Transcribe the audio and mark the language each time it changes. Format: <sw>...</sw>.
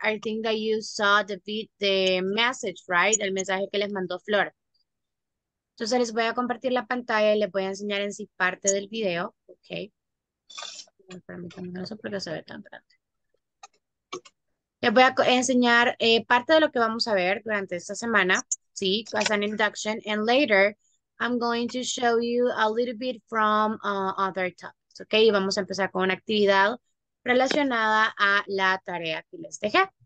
<en>I think that you saw the message, right?</en> <es>El mensaje que les mandó Flor. Entonces les voy a compartir la pantalla y les voy a enseñar en sí parte del video, ¿ok? Permítanme eso porque se ve tan grande. Les voy a enseñar parte de lo que vamos a ver durante esta semana, ¿sí?</es> <en>As an induction. And later, I'm going to show you a little bit from other topics.</en> <es>Ok, vamos a empezar con una actividad relacionada a la tarea que les dejé.</es>